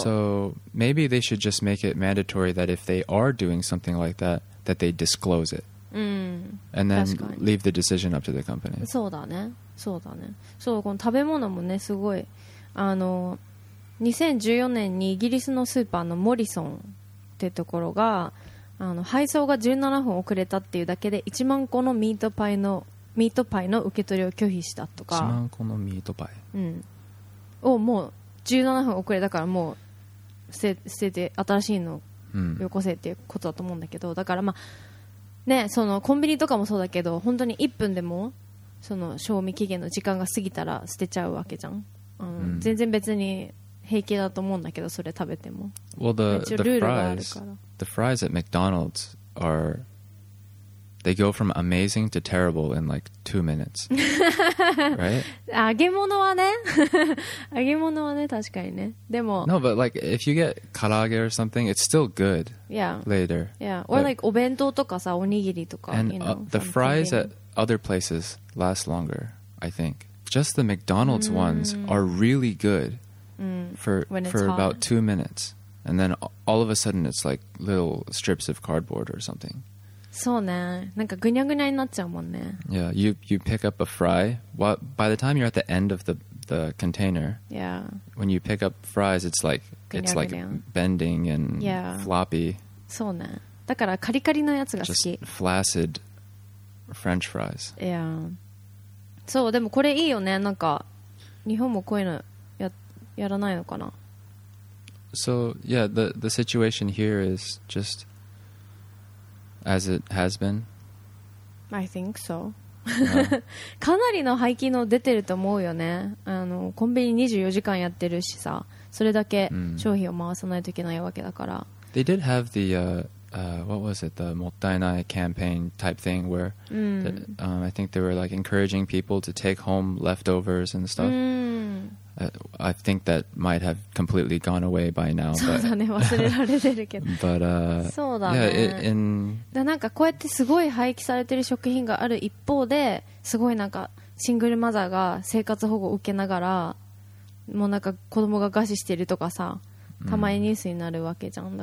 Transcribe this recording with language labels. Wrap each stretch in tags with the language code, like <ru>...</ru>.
<en>So, maybe they should just make it mandatory that if they are doing something like that, that they disclose it. And then leave the decision up to the company.</en> <ja>そうだね。そうだね。そう、この食べ物もね、すごい、あの、2014年にイギリスのスーパーのモリソンってところが、あの配送が17分遅れたっていうだけで1万個のミートパイの受け取りを拒否したとか、 1万個のミートパイ、をもう17分遅れだからもう捨てて新しいのをよこせっていうことだと思うんだけど、だからまあね、そのコンビニとかもそうだけど、本当に1分でもその賞味期限の時間が過ぎたら捨てちゃうわけじゃん。全然別に平気だと思うんだけど、それ食べても。</ja> <en>Well, the fries at McDonald's are They go from amazing to terrible in like 2 minutes. Right?</en> <ja>揚げ物はね。揚げ物はね、確かにね。でも。</ja> <en>No, but like if you get karaage or something, it's still good. Yeah. Later. Yeah. Or like</en> <ja>お弁当とかさ、おにぎりとか。</ja> <en>And you know, the fries at other places last longer, I think. Just the McDonald's ones are really good for about 2 minutes. And then all of a sudden it's like little strips of cardboard or something.</en> <ja>そうね。なんかぐにゃぐにゃになっちゃうもんね。</ja> <en>Yeah, you pick up a fry. What, by the time you're at the end of the container, yeah. When you pick up fries, it's like, it's like bending and floppy.</en> <ja>そうね。だからカリカリのやつが好き。</ja> <en>Just flaccid French fries. Yeah.</en> <ja>そう、でもこれいいよね。なんか日本もこういうの やらないのかな。</ja> <en>So, yeah, the situation here is just... As it has been? I think so.</en> <ja>かなりの廃棄の出てると思うよね。あのコンビニ24時間やってるしさ、それだけ商品を回さないといけないわけだから。</ja> <en>They did have the, what was it, the もったいない campaign type thing where I think they were like encouraging people to take home leftovers and stuff. I think that might have completely gone away by now.</en> <ja>そうだね、忘れられてるけど。</ja> <en>But,</en> <ja>そうだね。</ja> <en>Yeah,</en> <ja>なんかこうやってすごい廃棄されてる食品がある一方で、すごいなんかシングルマザーが生活保護を受けながら、もうなんか子供が餓死してるとかさ、たまにニュースになるわけじゃん。</ja>